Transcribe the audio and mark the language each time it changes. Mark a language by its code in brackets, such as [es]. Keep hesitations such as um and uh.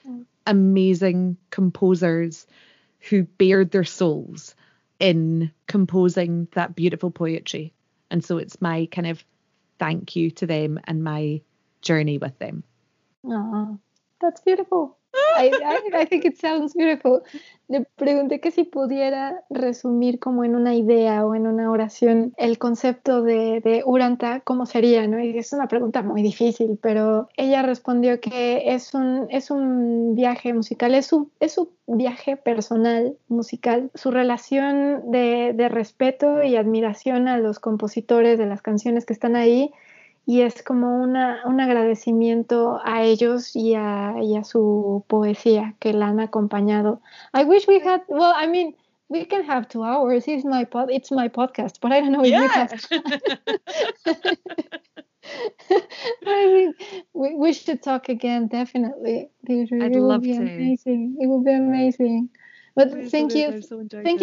[en] Mm amazing composers who bared their souls in composing that beautiful poetry. And so it's my kind of thank you to them and my journey with them. Ah, oh, that's beautiful. I, I, I, think it sounds beautiful. [es] Le pregunté que si pudiera resumir como en una idea o en una oración el concepto de, de Uranta, ¿cómo sería? ¿no? Y es una pregunta muy difícil, pero ella respondió que es un, es un viaje musical, es su, es su viaje personal musical, su relación de, de respeto y admiración a los compositores de las canciones que están ahí y es como una, un agradecimiento a ellos y a, y a, su poesía que la han acompañado. [en] I wish we had, well, I mean, we can have two hours. It's my, pod, it's my podcast, but I don't know if yeah. I mean, we have. I think we, should talk again, definitely. this I'd It love will be to. Amazing. It would be right. amazing. But oh, thank you. So thank it.